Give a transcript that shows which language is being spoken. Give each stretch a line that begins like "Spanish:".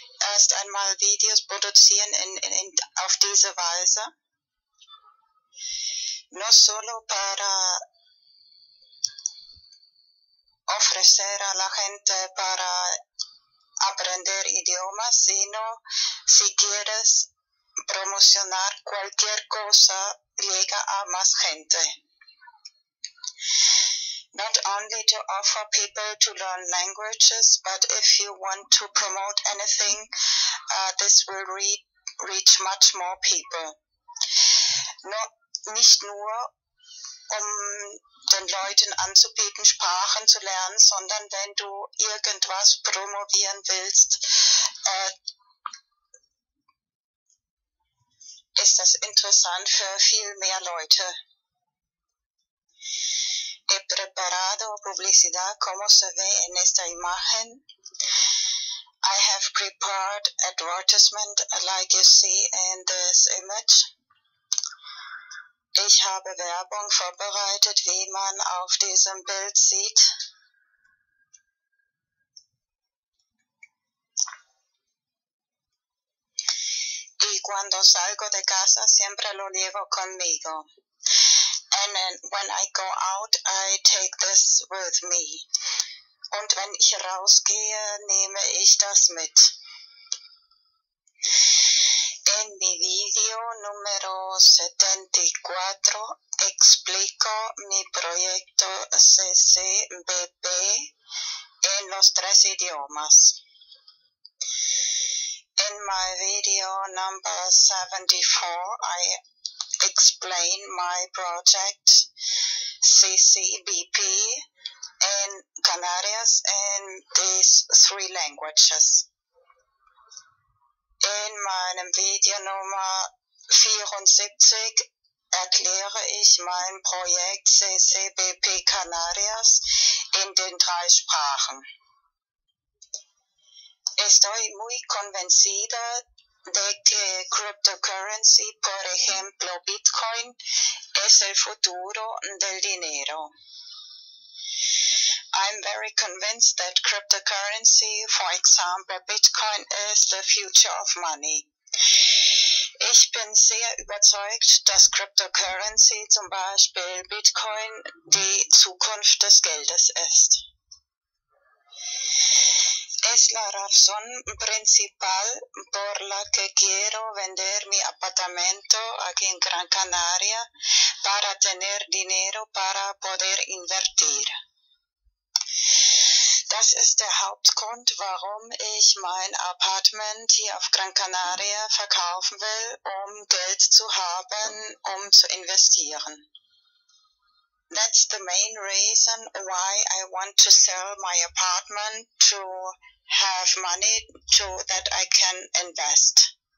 German: erst einmal Videos produzieren in auf diese Weise.
Spanish: No solo para ofrecer a la gente para aprender idiomas, sino si quieres promocionar cualquier cosa, llega a más gente.
English: Not only to offer people to learn languages, but if you want to promote anything, this will reach much more people.
German: No, nicht nur, den Leuten anzubieten, Sprachen zu lernen, sondern wenn du irgendwas promovieren willst, ist das interessant für viel mehr Leute.
Spanish: He preparado publicidad como se ve en esta imagen.
English: I have prepared advertisement like you see in this image.
German: Ich habe Werbung vorbereitet, wie man auf diesem Bild sieht.
Spanish: Y cuando salgo de casa, siempre lo llevo conmigo.
English: And then when I go out, I take this with me.
German: Und wenn ich rausgehe, nehme ich das mit.
Spanish: En mi video número 74 explico mi proyecto CCBP en los tres idiomas.
English: In my video number 74, I explain my project CCBP in Canarias in these three languages.
German: In meinem Video Nummer 74 erkläre ich mein Projekt CCBP Canarias in den drei Sprachen.
Spanish: Estoy muy convencida de que cryptocurrency, por ejemplo Bitcoin, es el futuro del dinero.
English: I'm very convinced that cryptocurrency, for example Bitcoin, is the future of money.
German: Ich bin sehr überzeugt, dass cryptocurrency, zum Beispiel Bitcoin, die Zukunft des Geldes ist.
Spanish: Es la razón principal por la que quiero vender mi apartamento aquí en Gran Canaria para tener dinero para poder invertir.
German: Das ist der Hauptgrund, warum ich mein Apartment hier auf Gran Canaria verkaufen will, um Geld zu haben, um zu investieren.
English: That's the main reason why I want to sell my apartment to have money so that I can invest.